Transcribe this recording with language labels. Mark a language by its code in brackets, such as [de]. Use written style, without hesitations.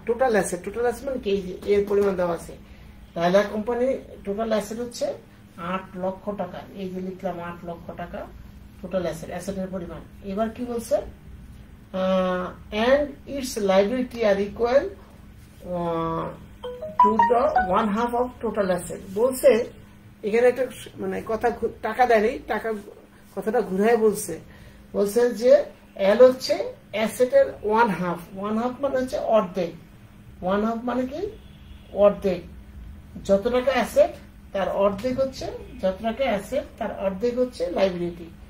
[bn] Total asset, total asset মানে কি এর পরিমাণ দেওয়া আছে, লাইলা কোম্পানি টোটাল অ্যাসেট হচ্ছে 8,00,000 টাকা, এই যে লিখলাম 8,00,000 টাকা টোটাল অ্যাসেট, অ্যাসেটের পরিমাণ। এবার কি বলছে [en] and its liability are equal to the one half of total assets. [bn] বলছে এখানে একটা মানে কথা টাকা দেয় নেই টাকা কথাটা ঘুরায় বলছে বলছে যে এল হচ্ছে অ্যাসেটের ওয়ান হাফ মানে হচ্ছে অর্ধেক ওয়ান হাফ মানে কি অর্ধেক যত টাকা অ্যাসেট তার অর্ধেক হচ্ছে যত টাকা অ্যাসেট তার অর্ধেক হচ্ছে লাইবিলিটি